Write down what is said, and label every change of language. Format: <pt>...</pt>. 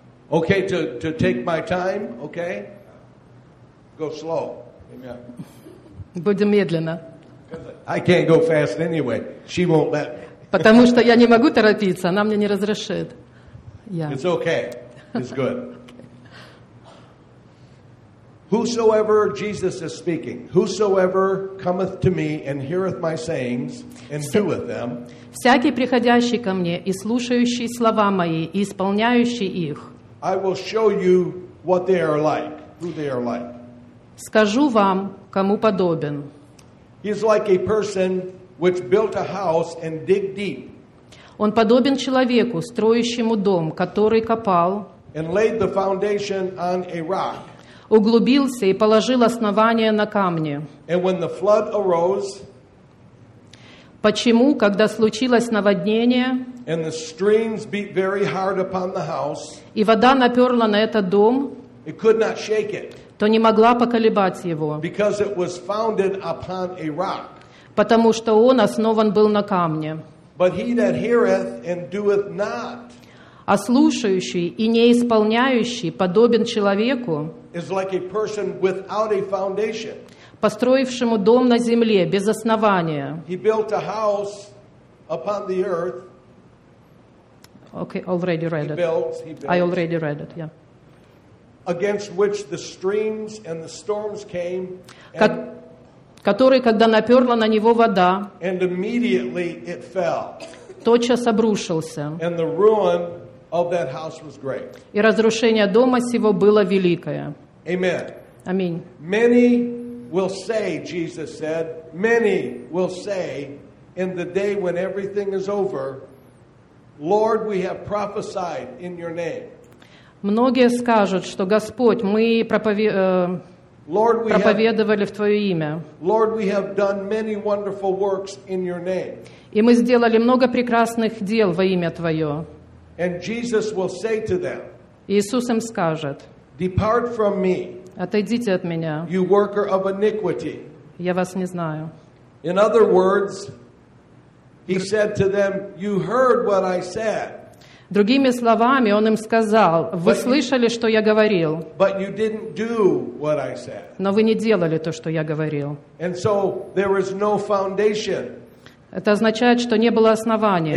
<en>Okay, to take my time, okay? Go slow. Amen.</en> <ru>Будем медленно.</ru> <en>I can't go fast anyway. She won't let me.</en> <ru>Потому что я не могу торопиться, она мне не разрешит.</ru> <en>It's okay. It's good. Whosoever, Jesus is speaking, whosoever cometh to me and heareth my sayings and doeth them,</en> <ru>всякий приходящий ко мне и слушающий слова мои и исполняющий их,</ru> <en>I will show you what they are like, who they are like.</en> <ru>Скажу вам, кому подобен.</ru> <en>He is like a person which built a house and dig deep.</en> <ru>Он подобен человеку, строящему дом, который копал.</ru> <en>And laid the foundation on a rock.</en> <ru>Углубился и положил основание на камне.</ru> <en>And when the flood arose,</en> <ru>почему, когда случилось наводнение,</ru> <en>and the streams beat very hard upon the house,</en> <ru>и вода наперла на этот дом,</ru> <en>it could not shake it,</en> <ru>то не могла поколебать его,</ru> <en>because it was founded upon a rock,</en> <ru>потому что он основан был на камне.</ru> <en>But he that heareth and doeth not,</en> <ru>а слушающий и не исполняющий подобен человеку,</ru> <en>is like a person without a foundation,</en> <ru>построившему дом на земле без основания.</ru> <en>He built a house upon the earth. Okay, already read he it. Built. I already read it, yeah. Against which the streams and the storms came,</en> <ru>который, когда наперла на него вода,</ru> <en>and immediately it fell.</en> <ru>Тотчас обрушился.</ru> <en>And the ruin of that house was great.</en> <ru>И разрушение дома сего было великое.</ru> <en>Amen.</en> <ru>Аминь.</ru> <en>Many will say, Jesus said, many will say, in the day when everything is over, Lord, we have prophesied in your name.</en> <ru>Многие скажут, что Господь, мы проповедовали в Твое имя.</ru> <en>Lord, we have done many wonderful works in your name.</en> <ru>И мы сделали много прекрасных дел во имя Твое.</ru> <en>And Jesus will say to them,</en> <ru>Иисус им скажет,</ru> <en>depart from me,</en> <ru>отойдите от меня,</ru> <en>you worker of iniquity.</en> <ru>Я вас не знаю.</ru> <en>In other words, he said to them, you heard what I said.</en> <ru>Другими словами, он им сказал, вы слышали, что я говорил.</ru> <en>But you didn't do what I said.</en> <ru>Но вы не делали то, что я говорил.</ru> <en>And so there is no foundation.</en> <ru>Это означает, что не было основания.</ru>